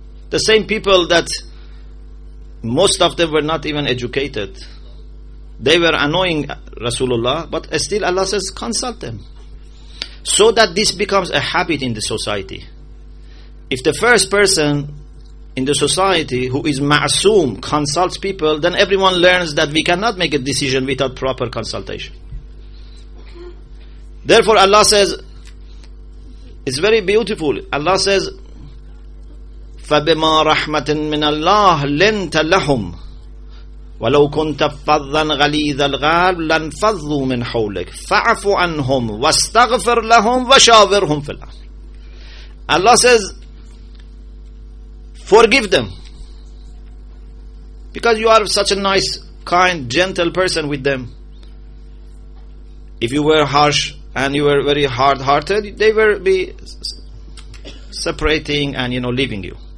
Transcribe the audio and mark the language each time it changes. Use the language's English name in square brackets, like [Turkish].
[English] The same people that most of them were not even educated, they were annoying Rasulullah, but still Allah says consult them, so that this becomes a habit in the society. If the first person in the society who is ma'soom consults people, then everyone learns that we cannot make a decision without proper consultation. Therefore Allah says, it's very beautiful, Allah says, [Arabic] فَبِمَا رَحْمَةٍ مِّنَ اللَّهِ لِنْتَ لَهُمْ وَلَوْ كُنْتَ فَضًّا غَلِيظَ الْقَلْبِ لَانْفَضُّوا مِنْ حَوْلِكَ فَاعْفُ عَنْهُمْ وَاسْتَغْفِرْ لَهُمْ وَشَاوِرْهُمْ فِي الْأَمْرِ. [English] Allah says, forgive them, because you are such a nice, kind, gentle person with them. If you were harsh and you were very hard-hearted, they would be separating and, you know, leaving you.